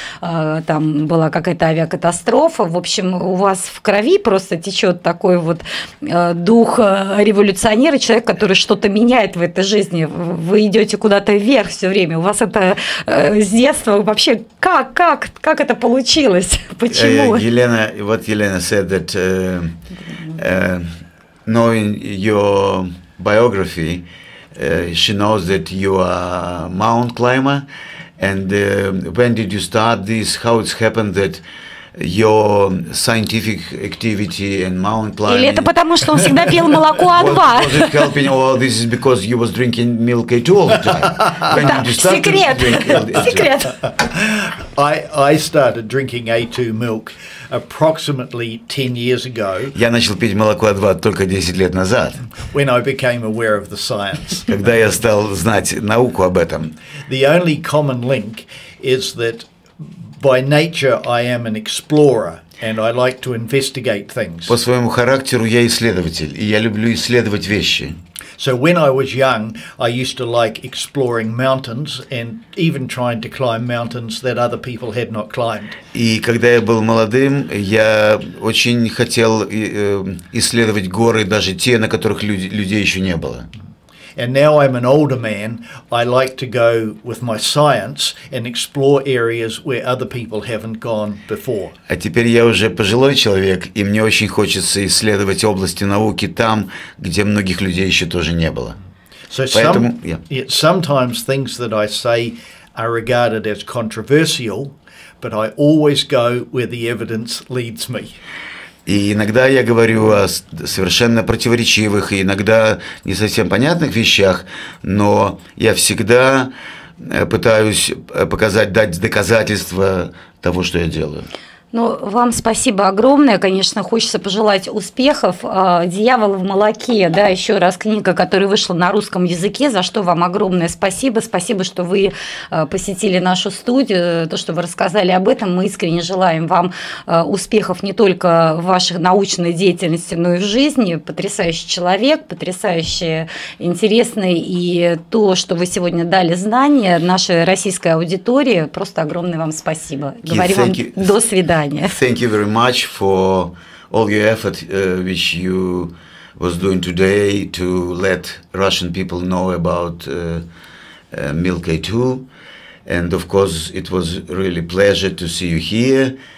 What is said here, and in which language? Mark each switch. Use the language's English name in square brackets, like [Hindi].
[Russian] там была какая-то авиакатастрофа, в общем, у вас в крови просто течет такой вот дух революционера, человек, который что-то меняет в этой жизни, вы идете куда-то вверх все время, у вас это с детства вообще, как это получилось? [English] Елена, what Елена said that knowing your biography, she knows that you are a mountain climber. And when did you start this? How it's happened that your scientific activity and mountain climbing? [Russian] Или это потому, что он всегда пил молоко А2? [English] Was it helping, or this is because you was drinking milk A2 all the time? When did you start Secret. I started drinking A2 milk approximately 10 years ago. [Russian] Я начал пить молоко А2 только 10 лет назад. [English] When I became aware of the science. [Russian] Когда я стал знать науку об этом. [English] The only common link is that by nature I am an explorer and I like to investigate things. [Russian] По своему характеру я исследователь, и я люблю исследовать вещи. [English] So when I was young, I used to like exploring mountains and even trying to climb mountains that other people had not climbed. [Russian] И когда я был молодым, я очень хотел исследовать горы, даже те, на которых людей еще не было. [English] And now I'm an older man, I like to go with my science and explore areas where other people haven't gone before. [Russian] А теперь я уже пожилой человек, и мне очень хочется исследовать области науки там, где многих людей еще тоже не было. [English] So sometimes things that I say are regarded as controversial, but I always go where the evidence leads me. [Russian] И иногда я говорю о совершенно противоречивых и иногда не совсем понятных вещах, но я всегда пытаюсь показать, дать доказательства того, что я делаю. Ну, вам спасибо огромное. Конечно, хочется пожелать успехов. «Дьявол в молоке», да, еще раз книга, которая вышла на русском языке, за что вам огромное спасибо. Спасибо, что вы посетили нашу студию, то, что вы рассказали об этом. Мы искренне желаем вам успехов не только в вашей научной деятельности, но и в жизни. Потрясающий человек, потрясающе интересный. И то, что вы сегодня дали знания нашей российской аудитории, просто огромное вам спасибо. Говорю вам до свидания. [English] Thank you very much for all your effort which you was doing today to let Russian people know about milk A2. And of course, it was really pleasure to see you here.